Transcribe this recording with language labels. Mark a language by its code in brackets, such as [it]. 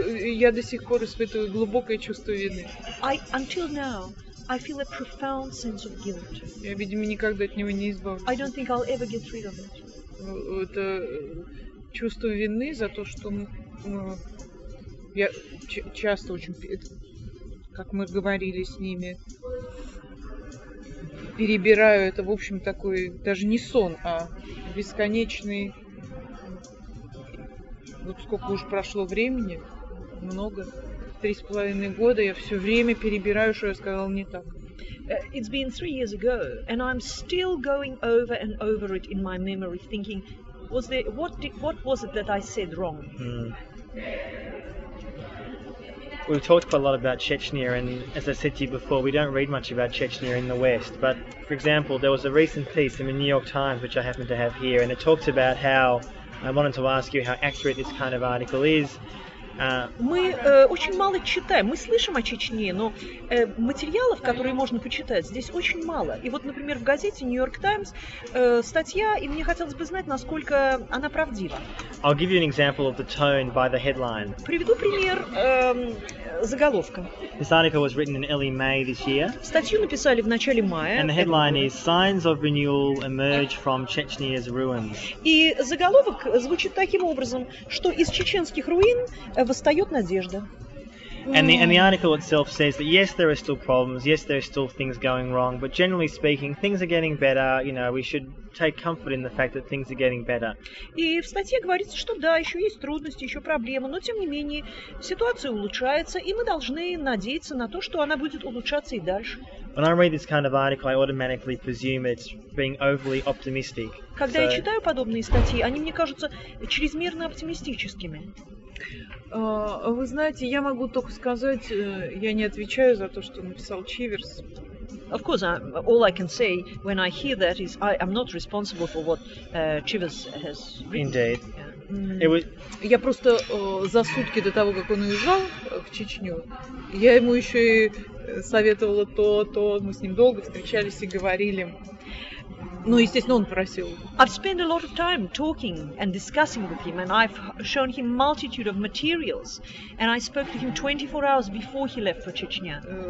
[ru] Я до сих пор испытываю глубокое чувство вины. [en] Until now, I feel a profound sense of guilt. [ru] Я, видимо, никогда от него не избавлюсь. [en] I don't think I'll ever get rid of it. [ru] Это чувство вины за то, что я часто очень, как мы говорили с ними, перебираю это, в общем, такой даже не сон, а бесконечный, вот сколько уж прошло времени, много, 3.5 года, я все время перебираю, что я сказала не так. [en] It's been 3 years ago, and I'm still going over and over it in my memory, thinking, what was it that I said wrong? We've talked quite a lot about Chechnya, and as I said to you before, we don't read much about Chechnya in the West. But, for example, there was a recent piece in the New York Times, which I happen to have here, and it talks about how, I wanted to ask you how accurate this kind of article is. [ru] Мы очень мало читаем. Мы слышим о Чечне, но материалов, которые можно почитать, здесь очень мало. И вот, например, в газете New York Times статья, и мне хотелось бы знать, насколько она правдива. [en] I'll give you an example of the tone by the headline. [ru] Приведу пример заголовка. [en] This article was written in early May this year. [ru] Статью написали в начале мая. [en] And the headline is "Signs of renewal emerge from Chechnya's ruins". [ru] И заголовок звучит таким образом, что из чеченских руин восстает надежда. [en] And the article itself says that yes, there are still problems, yes, there are still things going wrong, but generally speaking, things are getting better, you know, we should take comfort in the fact that things are getting better. [ru] И в статье говорится, что да, еще есть трудности, еще проблемы, но тем не менее, ситуация улучшается, и мы должны надеяться на то, что она будет улучшаться и дальше. [en] When I read this kind of article, I automatically presume it's being overly optimistic. [ru] Когда я читаю подобные статьи, они мне кажутся чрезмерно оптимистическими. Вы знаете, я могу только сказать, я не отвечаю за то, что написал Чиверс. [en] Of course, all I can say when I hear that is I am not responsible for what Chivers has written. Indeed. [ru] Я просто за сутки до того, как он уезжал в Чечню, я ему еще и советовала то, мы с ним долго встречались и говорили. Ну, естественно, он просил. [en] I've spent a lot of time talking and discussing with him, and I've shown him multitude of materials, and I spoke to him 24 hours before he left for Chechnya.